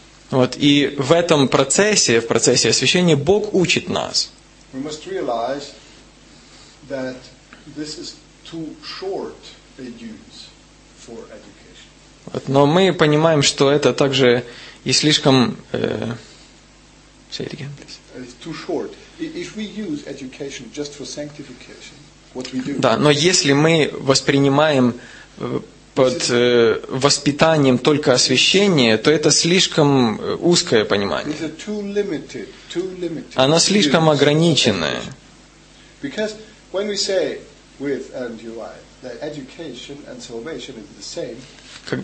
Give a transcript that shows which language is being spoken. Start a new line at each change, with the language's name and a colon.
Russian: Вот, и в этом процессе, в процессе освящения, Бог учит нас. Вот, но мы понимаем, что это также и слишком...
English: Say it again, please. It's too short. If we use education just for sanctification, what we do?
Russian: Да, но если мы воспринимаем под воспитанием только освящение, то это слишком узкое понимание.
English: It's too limited, too limited.
Russian: Оно слишком ограниченное.
English: Because when we say with and your life, that education and salvation is the same.